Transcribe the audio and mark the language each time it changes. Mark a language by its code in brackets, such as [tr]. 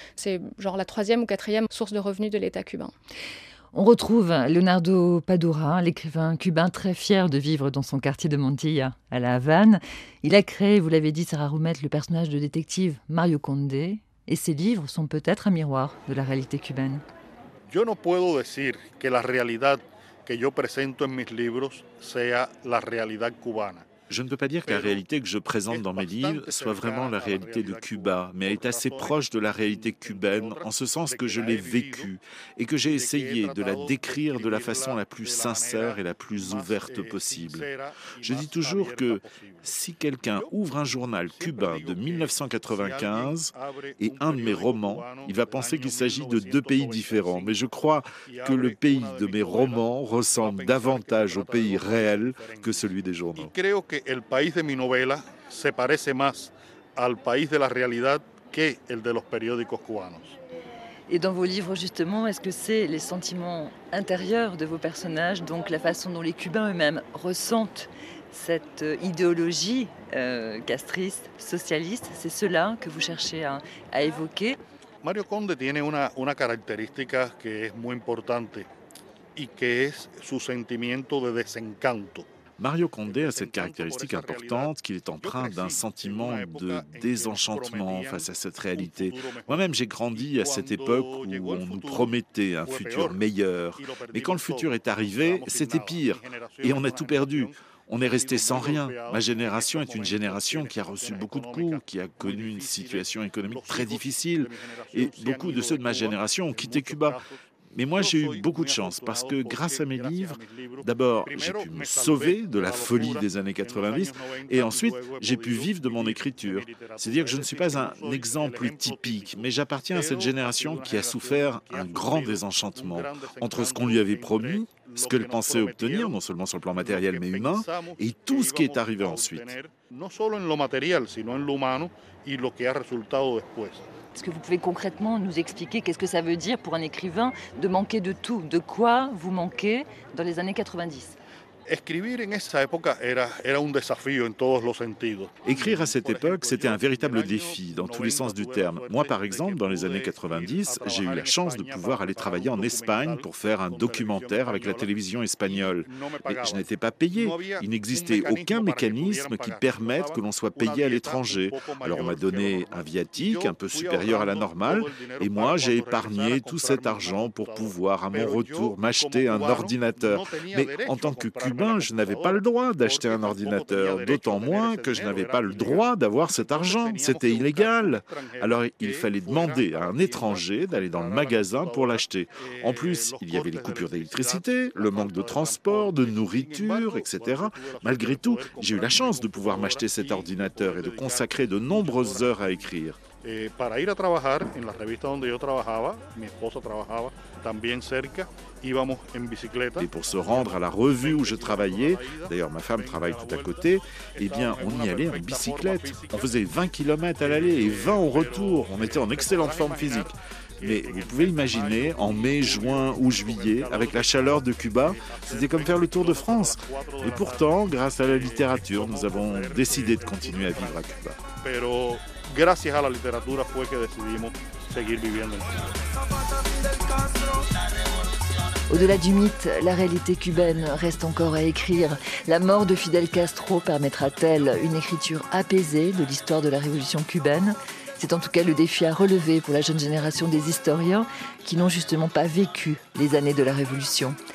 [fr] C'est genre la troisième ou quatrième source de revenus de l'État cubain. On retrouve Leonardo Padura, l'écrivain cubain très fier de vivre dans son quartier de Montilla, à La Havane. Il a créé, vous l'avez dit, Sarah Roumette, le personnage de détective Mario Conde. Et ces livres sont peut-être un miroir de la réalité cubaine. [es] Yo no puedo decir que la realidad que yo presento en mis libros sea la realidad cubana. [fr] Je ne peux pas dire que la réalité que je présente dans mes livres soit vraiment la réalité de Cuba, mais elle est assez proche de la réalité cubaine en ce sens que je l'ai vécue et que j'ai essayé de la décrire de la façon la plus sincère et la plus ouverte possible. Je dis toujours que si quelqu'un ouvre un journal cubain de 1995 et un de mes romans, il va penser qu'il s'agit de deux pays différents, mais je crois que le pays de mes romans ressemble davantage au pays réel que celui des journaux. [es] Que el país de mi novela se parece más al país de la realidad que el de los periódicos cubanos. [fr] Et dans vos livres, justement, est-ce que c'est les sentiments intérieurs de vos personnages, donc la façon dont les Cubains eux-mêmes ressentent cette idéologie castriste, socialiste, c'est cela que vous cherchez à évoquer? [es] Mario Conde tiene una característica que es muy importante y que es su sentimiento de desencanto. [fr] Mario Conde a cette caractéristique importante qu'il est empreint d'un sentiment de désenchantement face à cette réalité. Moi-même, j'ai grandi à cette époque où on nous promettait un futur meilleur. Mais quand le futur est arrivé, c'était pire. Et on a tout perdu. On est resté sans rien. Ma génération est une génération qui a reçu beaucoup de coups, qui a connu une situation économique très difficile. Et beaucoup de ceux de ma génération ont quitté Cuba. Mais moi, j'ai eu beaucoup de chance parce que grâce à mes livres, d'abord, j'ai pu me sauver de la folie des années 90 et ensuite, j'ai pu vivre de mon écriture. C'est-à-dire que je ne suis pas un exemple typique, mais j'appartiens à cette génération qui a souffert un grand désenchantement entre ce qu'on lui avait promis, ce qu'elle pensait obtenir, non seulement sur le plan matériel, mais humain, et tout ce qui est arrivé ensuite. Non seulement sur le matériel, mais aussi sur l'humain et ce qui a résulté après. Est-ce que vous pouvez concrètement nous expliquer qu'est-ce que ça veut dire pour un écrivain de manquer de tout ? De quoi vous manquez dans les années 90 ? [es] Escribir en esa época era un desafío en todos los sentidos. [fr] Écrire à cette époque, c'était un véritable défi dans tous les sens du terme. Moi, par exemple, dans les années 90, j'ai eu la chance de pouvoir aller travailler en Espagne pour faire un documentaire avec la télévision espagnole. Mais je n'étais pas payé. Il n'existait aucun mécanisme qui permette que l'on soit payé à l'étranger. Alors on m'a donné un viatique un peu supérieur à la normale et moi, j'ai épargné tout cet argent pour pouvoir, à mon retour, m'acheter un ordinateur. Mais en tant que Cubain, je n'avais pas le droit d'acheter un ordinateur, d'autant moins que je n'avais pas le droit d'avoir cet argent. C'était illégal. Alors il fallait demander à un étranger d'aller dans le magasin pour l'acheter. En plus, il y avait les coupures d'électricité, le manque de transport, de nourriture, etc. Malgré tout, j'ai eu la chance de pouvoir m'acheter cet ordinateur et de consacrer de nombreuses heures à écrire. [es] Para ir a trabajar en la revista donde yo trabajaba, mi esposa trabajaba también cerca, íbamos en bicicleta. [fr] Et pour se rendre à la revue où je travaillais, d'ailleurs ma femme travaille tout à côté, eh bien on y allait en bicyclette. On faisait 20 km à l'aller et 20 au retour. On était en excellente forme physique. Mais vous pouvez imaginer, en mai, juin ou juillet, avec la chaleur de Cuba, c'était comme faire le tour de France. Et pourtant, grâce à la littérature, nous avons décidé de continuer à vivre à Cuba. [es] Pero gracias a la literatura fue que decidimos seguir viviendo en Cuba. [fr] Au-delà du mythe, la réalité cubaine reste encore à écrire. La mort de Fidel Castro permettra-t-elle une écriture apaisée de l'histoire de la révolution cubaine ? C'est en tout cas le défi à relever pour la jeune génération des historiens qui n'ont justement pas vécu les années de la Révolution.